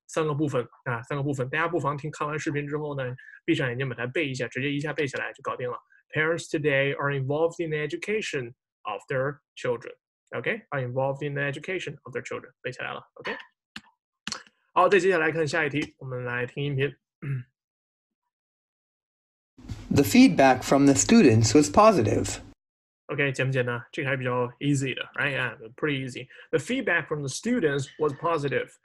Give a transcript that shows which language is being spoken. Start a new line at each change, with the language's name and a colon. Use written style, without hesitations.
Chinese: 三个部分啊，三个部分，大家不妨听看完视频之后呢，闭上眼睛把它背一下，直接一下背下来就搞定了。
English: Parents today are involved in the education of their children. Okay, are involved in the education of their children.
Chinese: 背下来了。Okay. 好，再接下来看下一题，我们来听音频。
English: The feedback from the students was positive.
Chinese: Okay, 简不简单？这个还比较 easy 的，
English: right? Yeah, pretty easy. The feedback from the students was positive.